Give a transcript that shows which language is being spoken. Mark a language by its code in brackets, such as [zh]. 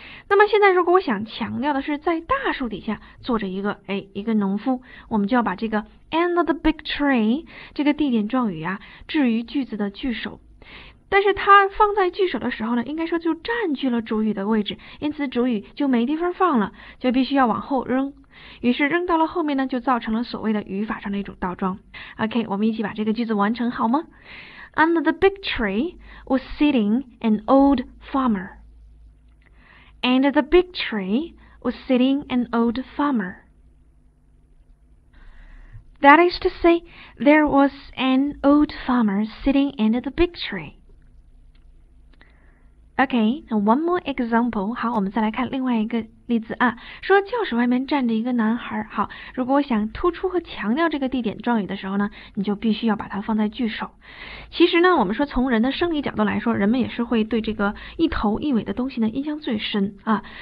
[zh] 那么现在如果我想强调的是在大树底下坐着一个农夫，我们就要把这个 [en] end of the big tree [zh] 这个地点状语啊置于句子的句首，但是它放在句首的时候呢，应该说就占据了主语的位置，因此主语就没地方放了，就必须要往后扔，于是扔到了后面呢，就造成了所谓的语法上的一种倒装。 OK, 我们一起把这个句子完成好吗？ [en] Under the big tree was sitting an old farmerAnd the big tree was sitting an old farmer. That is to say, there was an old farmer sitting under the big tree. Okay, one more example. [zh] 好，我们再来看另外一个例子啊。说教室外面站着一个男孩。好，如果我想突出和强调这个地点状语的时候呢，你就必须要把它放在句首。其实呢，我们说从人的生理角度来说，人们也是会对这个一头一尾的东西呢印象最深啊。